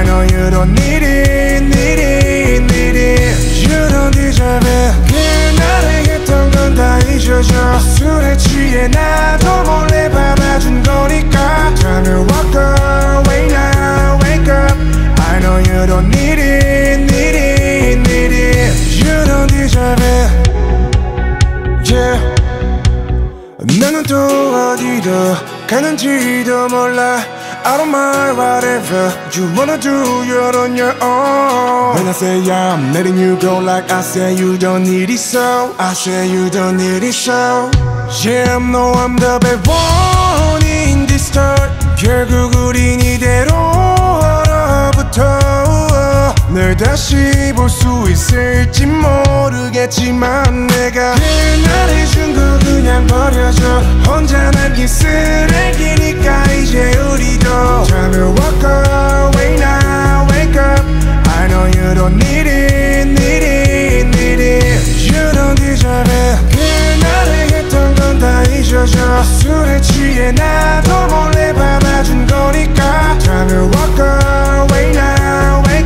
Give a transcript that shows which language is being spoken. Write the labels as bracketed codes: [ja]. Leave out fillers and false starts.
[en] You don't need it, need it, need it. You don't deserve it. [ko] 그날에 했던 건 다 잊어져. 술에 취해 나도 몰래 받아준 거니까. [en] Time to walk away now, wake up. I know you don't need it, need it, need it. You don't deserve it. Yeah. [ko] 너는 또 어디로 가는지도 몰라. [en] I don't mind whatever you wanna do, you're on your own. When I say I'm letting you go, like I say you don't need it so. I say you don't need it so. Yeah, I know I'm the bad one in this story. [ko] 결국 우린 이대로 얼어붙어. 널 다시 볼 수 있을지 모르겠지만 내가 그날 해준 거 그냥 버려줘. 혼자 남긴 쓰레기니까 이제 우리도 [en] Time to walk away now, wake up. I know you don't need it, need it, need it. You don't deserve it. [ko] 그날에 했던 건 다 잊어줘. 술에 취해 나도 몰래 받아준 거니까 [en] Time to walk away now.